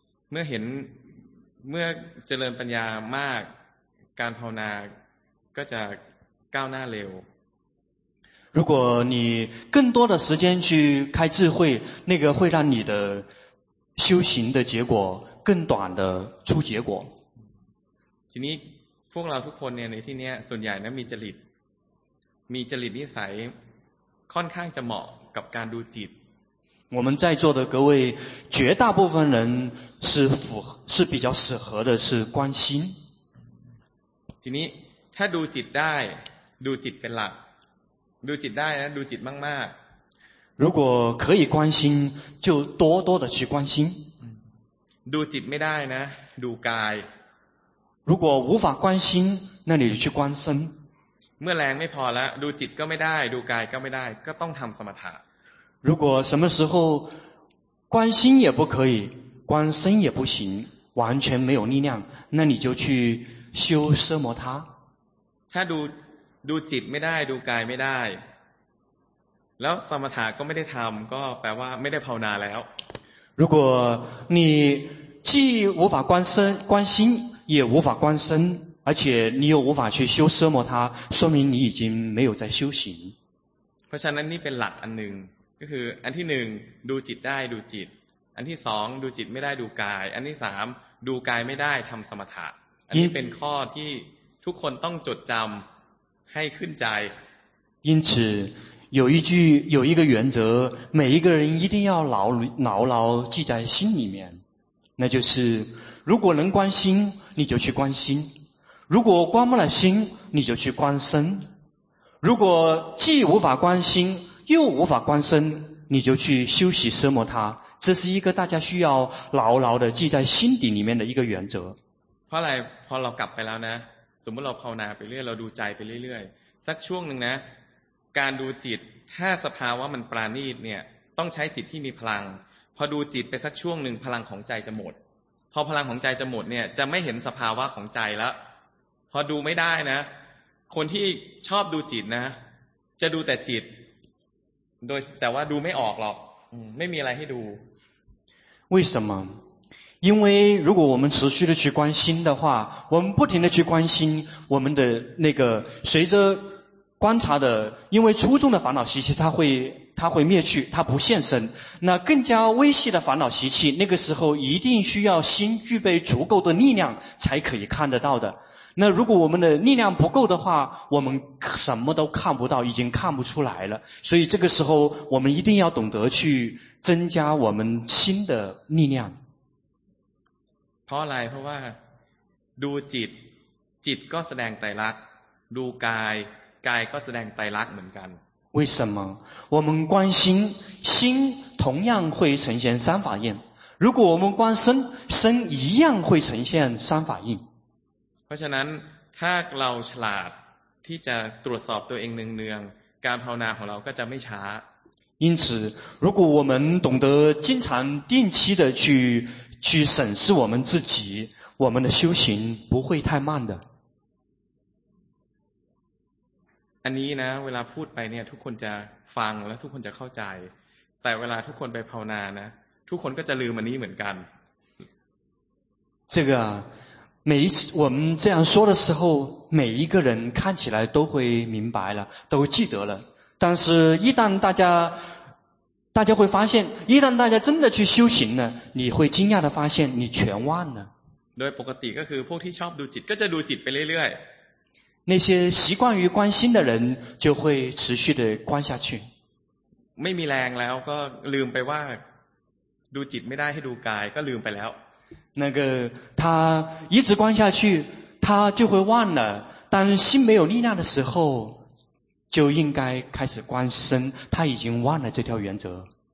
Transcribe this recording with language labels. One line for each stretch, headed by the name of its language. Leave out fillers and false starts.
Thai: เมื่อเห็นเมื่อเจริญปัญญามากการภาวนาก็จะก้าวหน้าเร็ว
Chinese: 如果你更多的时间去开智慧那个会让你的修行的结果更短的出结果
Thai: ทีนี้พวกเราทุกคนเนี่ยในที่เนี้ยส่วนใหญ่นะมีจริตนิสัยค่อนข้างจะเหมาะกับการดูจิต
Chinese: 我们在座的各位绝大部分人是比较适合的是观心
Thai: ทีนี้ถ้าดูจิตได้ดูจิตเป็นหลักดูจิตได้นะดูจิตมาก
Chinese: ๆ如果可以观心就多多的去观心
Thai: ดูจิตไม่ได้นะดูกาย
Chinese: 如果无法观心那你去观身
Thai: เมื่อแรงไม่พอแล้วดูจิตก็ไม่ได้ดูกายก็ไม่ได้ก็ต้องทำสมถะ
Chinese: 如果什么时候观心也不可以观身也不行完全没有力量那你就去修奢摩他
Thai: ถ้าดูจิตไม่ได้ดูกายไม่ได้แล้วสมถะก็ไม่ได้ทำก็แปลว่าไม่ได้ภาวนาแล้ว
Chinese: 如果你既无法观身观心也无法观身而且你又无法去修奢摩他说明你已经没有在修行
Thai: เพราะฉะนั้นนี่เป็นหลักอันหนึ่งก็คืออันที่หนึ่งดูจิตได้ดูจิตอันที่สองดูจิตไม่ได้ดูกายอันที่สามดูกายไม่ได้ทำสมถะอันนี้เป็นข้อที่ทุกคนต้องจดจำให้ขึ้นใจ
Chinese: 因此有一句有一个原则每一个人一定要牢牢记在心里面那就是如果能观心你就去观心如果观不了心你就去观身如果既无法观心又无法观身你就去修习奢摩他这是一个大家需要牢牢的记在心底里面的一个原则
Thai: เพราะอะไรพอเรากลับไปแล้วนะสมมติเราภาวนาไปเรื่อยเราดูใจไปเรื่อยๆสักช่วงหนึ่งนะการดูจิตถ้าสภาวะมันปราณีตเนี่ยต้องใช้จิตที่มีพลังพอดูจิตไปสักช่วงหนึ่งพลังของใจจะหมดพอพลังของใจจะหมดเนี่ยจะไม่เห็นสภาวะของใจแล้วพอดูไม่ได้นะคนที่ชอบดูจิตนะจะดูแต่จิตโดยแต่ว่าดูไม่ออกหรอกไม่มีอะไรให้ดู
Chinese: 为什么因为如果我们持续的去观心的话我们不停的去观心我们的那个随着观察的因为初中的烦恼习气它会灭去它不现身那更加微细的烦恼习气那个时候一定需要心具备足够的力量才可以看得到的那如果我们的力量不够的话我们什么都看不到已经看不出来了所以这个时候我们一定要懂得去增加我们心的力量
Thai: เพราะอะไรเพราะว่าดูจิตจิตก็แสดงไตรลักษณ์ดูกายกายก็แสดงไตรลักษณ์เหมือนกัน
Chinese: 为什么我们观心心同样会呈现三法印如果我们观身身一样会呈现三法印
Thai: เพราะฉะนั้นถ้าเราฉลาดที่จะตรวจสอบตัวเองเนืองๆการภาวนาของเราก็จะไม่ช้า
Chinese: 因此如果我们懂得经常定期的去审视我们自己我们的修行不会太慢的
Thai: อันนี้นะเวลาพูดไปเนี่ยทุกคนจะฟังและทุกคนจะเข้าใจแต่เวลาทุกคนไปภาวนานะทุกคนก็จะลืมอันนี้เหมือนกัน
Chinese: 这个每一次我们这样说的时候每一个人看起来都会明白了都记得了但是一旦大家会发现一旦大家真的去修行呢你会惊讶的发现你全忘了
Thai: โดยปกติก็คือพวกที่ชอบดูจิตก็จะดูจิตไปเรื่อย
Chinese: ๆ那些习惯于关心的人就会持续的关下去
Thai: ไม่มีแรงแล้วก็ลืมไปว่าดูจิตไม่ได้ให้ดูกายก็ลืมไปแล้ว
Chinese: 那个他一直关下去他就会忘了当心没有力量的时候就应该开始观身，他已经忘了这条原则。